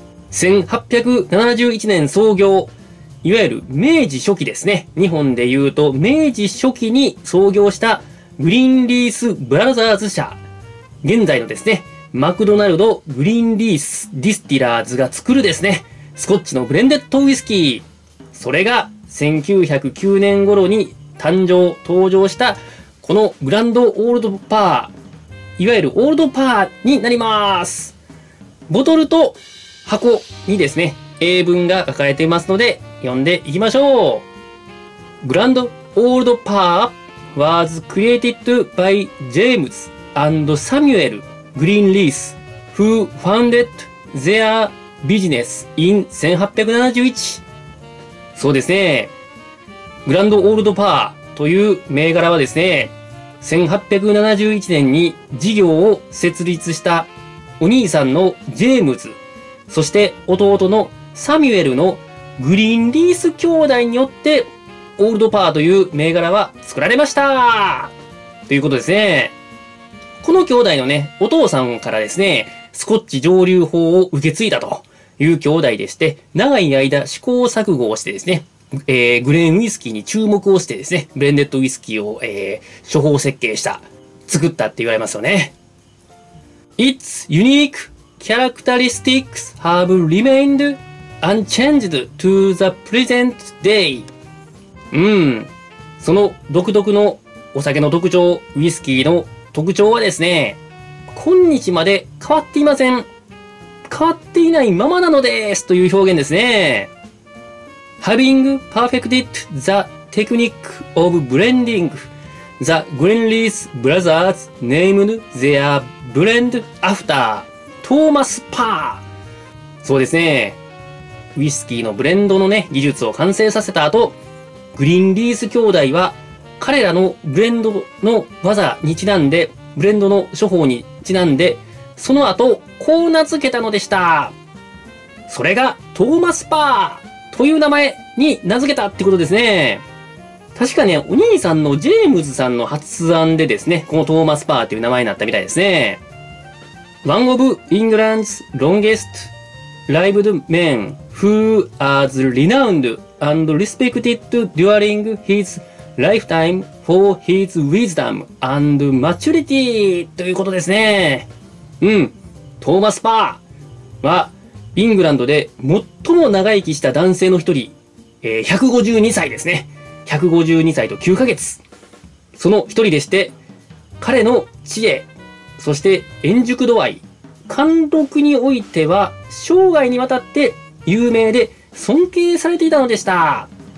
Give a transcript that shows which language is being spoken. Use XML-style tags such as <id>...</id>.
<ja>1871年創業、いわゆる明治初期ですね、日本でいうと明治初期に創業したグリーンリースブラザーズ社、現在のですねマクドナルド、グリーンリースディスティラーズが作るですねスコッチのブレンデッドウイスキー、それが1909年頃に登場したこのグランドオールドパー、いわゆるオールドパーになります。ボトルと箱にですね英文が書かれていますので読んでいきましょう。</ja> <en>グランドオールドパー was created by James and Samuel Greenleaf who founded their business in 1871。</en> <ja>そうですね、グランドオールドパーという銘柄はですね、1871年に事業を設立したお兄さんのジェームズ、そして弟のサミュエルのグリーンリース兄弟によってオールドパーという銘柄は作られましたということですね。この兄弟のねお父さんからですねスコッチ蒸留法を受け継いだという兄弟でして、長い間試行錯誤をしてですね、グレーンウイスキーに注目をしてですねブレンデッドウイスキーを、処方設計した、作ったって言われますよね。</ja> <en>Its unique characteristics have remained unchanged to the present day。</en> <ja>その独特のお酒の特徴、ウイスキーの特徴はですね今日まで変わっていません、変わっていないままなのですという表現ですね。</ja> <en>Having perfected the technique of blending, the Greenleaf brothers named their blend after Thomas Parr。</en> <ja>そうですね、ウイスキーのブレンドのね技術を完成させた後、グリーンリース兄弟は彼らのブレンドの技にちなんで、ブレンドの処方にちなんで、その後こう名付けたのでした。それがトーマス・パーという名前に名付けたってことですね。確かね、お兄さんのジェームズさんの発案でですね、このトーマス・パーという名前になったみたいですね。</ja> <en>One of England's longest lived men who was renowned and respected during his lifetime for his wisdom and maturity</en> <ja>ということですね。トーマス・パーは、イングランドで最も長生きした男性の一人、152歳ですね。 152歳と9ヶ月。その一人でして、彼の知恵、そして円熟度合い、貫禄においては生涯にわたって有名で尊敬されていたのでした。</ja>